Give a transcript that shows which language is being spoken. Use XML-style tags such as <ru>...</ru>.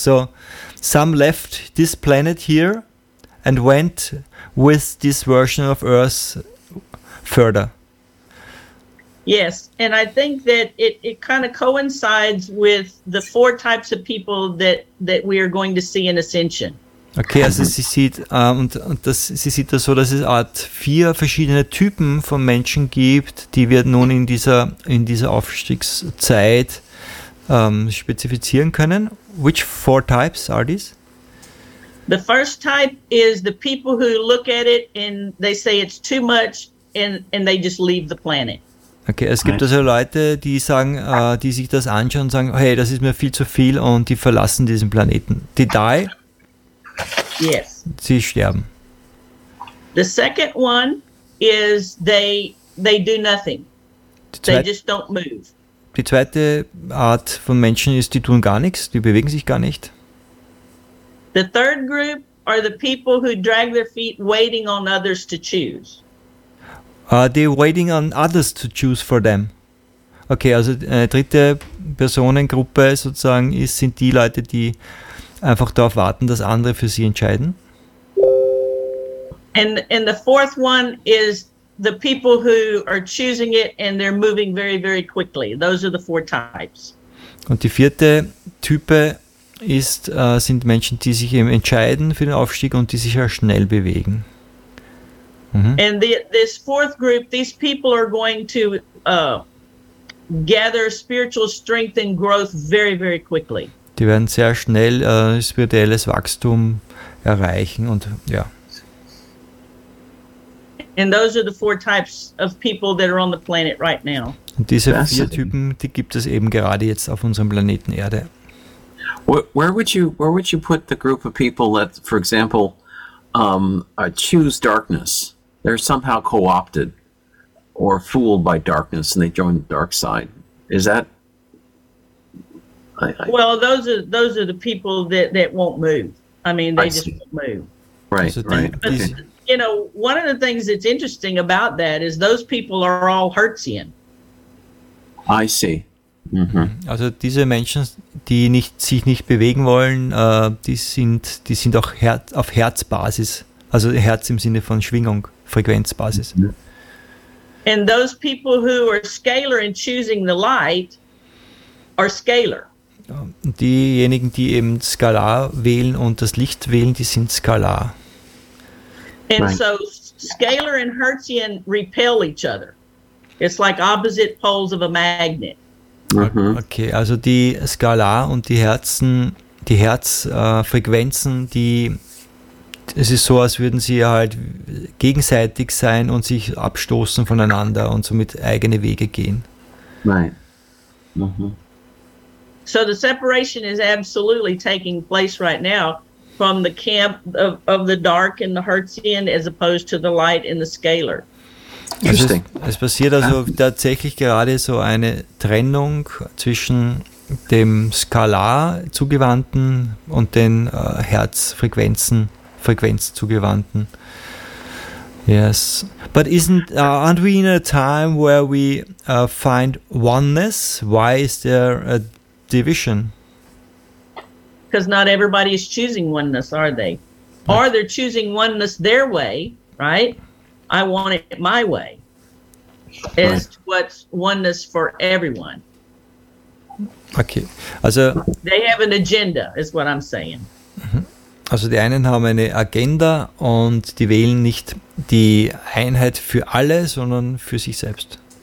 <en>So, some left this planet here and went with this version of Earth further. Yes, and I think that it kind of coincides with the four types of people that we are going to see in Ascension.</en> <de>Okay, also sie sieht das so, dass es eine Art vier verschiedene Typen von Menschen gibt, die wir nun in dieser Aufstiegszeit spezifizieren können.</de> <en>Which four types are these? The first type is the people who look at it and they say it's too much and they just leave the planet.</en> <de>Okay, es gibt also Leute, die sagen, die sich das anschauen und sagen, hey, das ist mir viel zu viel, und die verlassen diesen Planeten.</de> <en>They die. Yes.</en> <de>Sie sterben.</de> <en>The second one is they do nothing. They just don't move.</en> <de>Die zweite Art von Menschen ist, die tun gar nichts, die bewegen sich gar nicht.</de> <en>The third group are the people who drag their feet waiting on others to choose. They're waiting on others to choose for them.</en> <de>Okay, also eine dritte Personengruppe sozusagen sind die Leute, die einfach darauf warten, dass andere für sie entscheiden.</de> <en>And the fourth one is the people who are choosing it and they're moving very, very quickly. Those are the four types.</en> <de>Und die vierte Type sind Menschen, die sich eben entscheiden für den Aufstieg und die sich auch schnell bewegen. Mhm.</de> <en>And this fourth group, these people are going to gather spiritual strength and growth very, very quickly.</en> <de>Die werden sehr schnell spirituelles Wachstum erreichen und ja.</de> <en>And those are the four types of people that are on the planet right now.</en> <de>Und diese vier Typen, die gibt es eben gerade jetzt auf unserem Planeten Erde.</de> <en>Where would you put the group of people that, for example, choose darkness? They're somehow co-opted or fooled by darkness and they join the dark side. Is that? Well, those are the people that won't move. I mean, they just won't move. Right, so right. Okay. You know, one of the things that's interesting about that is those people are all Hertzian. I see. Mhm.</en> <de>Also diese Menschen, die sich nicht bewegen wollen, die sind auch auf Herzbasis, also Herz im Sinne von Schwingung, Frequenzbasis.</de> <en>And those people who are scalar and choosing the light are scalar.</en> <de>Diejenigen, die eben skalar wählen und das Licht wählen, die sind skalar.</de> <en>And right. So scalar and Hertzian repel each other. It's like opposite poles of a magnet.</en> <de>Okay, also die Skalar und die Herzen, die Herzfrequenzen, die, es ist so, als würden sie halt gegenseitig sein und sich abstoßen voneinander und somit eigene Wege gehen.</de> <en>Right. Mm-hmm. So the separation is absolutely taking place right now from the camp of the dark and the Hertzian as opposed to the light and the scalar.</en> <de>Es passiert also tatsächlich gerade so eine Trennung zwischen dem Skalar zugewandten und den Herzfrequenzen, Frequenzzugewandten.</de> <en>Yes. But aren't we in a time where we find oneness? Why is there a division? Because not everybody is choosing oneness, are they? Yeah. Or they're choosing oneness their way, right? I want it my way. Is what's oneness for everyone.</en> <de>Okay. Also</de> <en>they have an agenda, is what I'm saying.</en> <de>Also die einen haben eine Agenda und die wählen nicht die Einheit für alle, sondern für sich selbst.</de>